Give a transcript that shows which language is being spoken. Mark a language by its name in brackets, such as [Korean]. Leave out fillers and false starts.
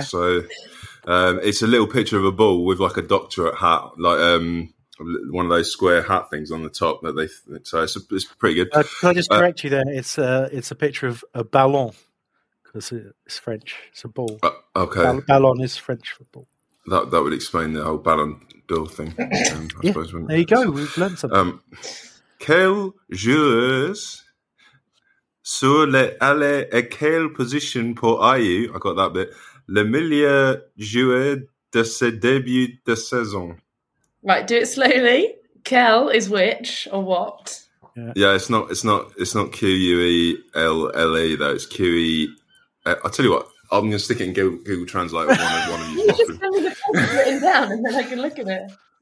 [English] So, it's a little picture of a ball with like a doctorate hat, like one of those square hat things on the top that they. So it's pretty good. Can I just correct you there? It's a picture of a ballon. It's French. It's a ball. Okay. Ballon is French football. That would explain the whole Ballon d'Or thing. There you go. We've learned something. [French] Quels joueurs sur les allées et quelle position pour Ayew? [English] I got that bit. [French] Le meilleur joueur de ses débuts de saison. [English] Right, do it slowly. Quel is which or what? Yeah, it's not Q-U-E-L-L-E though. It's Q-E. I'll tell you what. I'm going to stick it in Google Translate. One of you. Just send me the book written down, and then I can look at it.